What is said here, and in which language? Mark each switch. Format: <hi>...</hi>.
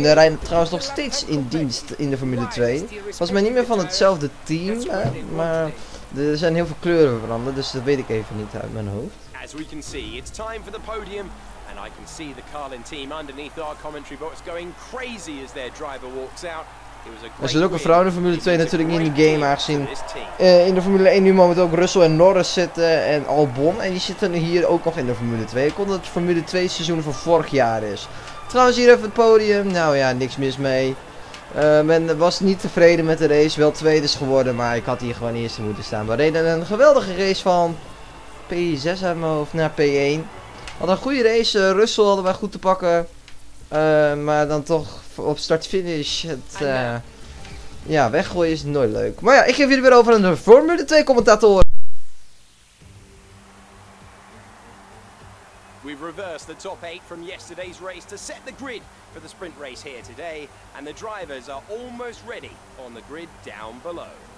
<nl>Rijdt trouwens nog steeds in dienst in de Formule 2. Was mij niet meer van hetzelfde team. Maar... er zijn heel veel kleuren veranderd, dus dat weet ik even niet uit mijn hoofd.</nl> <en>As we can see, it's time for the podium. And I can see the Carlin team underneath our commentary box going crazy as their driver walks out.</en> <nl>Er zit ook een vrouw in de Formule 2 natuurlijk in de game, aangezien in de Formule 1 nu momenteel ook Russell en Norris zitten en Albon. En die zitten hier ook nog in de Formule 2. Ik hoop dat het Formule 2 seizoen van vorig jaar is. Trouwens, hier even het podium. Nou ja, niks mis mee. Men was niet tevreden met de race, wel tweede is geworden, maar ik had hier gewoon eerste moeten staan. We reden een geweldige race van P6 uit mijn hoofd naar P1. Had een goede race, Russell hadden wij goed te pakken. Maar dan toch op start-finish het ja, weggooien is nooit leuk. Maar ja, ik geef jullie weer over aan de Formule 2 commentator.</nl> <en>We've reversed the top 8 from yesterday's race to set the grid for the sprint race here today, and the drivers are almost ready on the grid down below.</en>